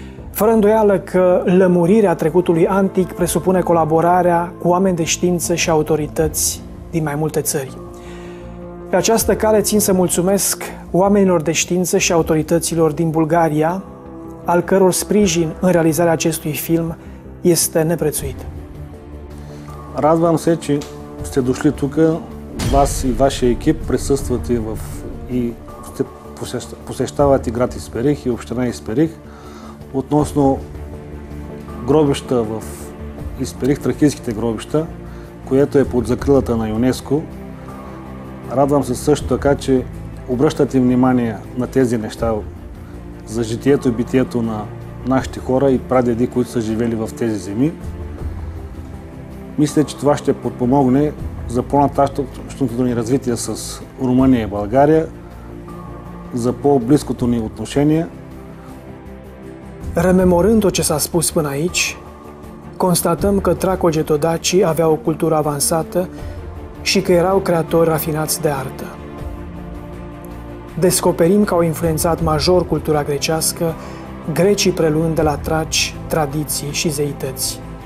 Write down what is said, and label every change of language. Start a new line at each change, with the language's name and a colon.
Romanian: Fără îndoială că lămurirea trecutului antic presupune colaborarea cu oameni de știință și autorități din mai multe țări. Pe această cale țin să mulțumesc oamenilor de știință și autorităților din Bulgaria, al căror sprijin în realizarea acestui film este neprețuit.
Bulgarian: Радвам се, че сте дошли тук, вас и вашия екип присъствате в и сте посещавате град Исперих и община Исперих относно гробища в Исперих, тракийските гробища, което е под закрилата на ЮНЕСКО. Радвам се също така, че обръщате внимание на тези неща за житието и битието на нашите хора и прадеди, които са живели в тези земи. Мисля, че това ще подпомогне за по-нататъчното ни развитие с Румъния и България, за по-близкото ни отношение.
Romanian: Rememorând-o ce s-a spus până aici, constatăm că tracogetodacii aveau o cultură avansată și că erau creatori rafinați de artă. Descoperim că au influențat major cultura grecească, grecii preluând de la traci tradiții și zeități.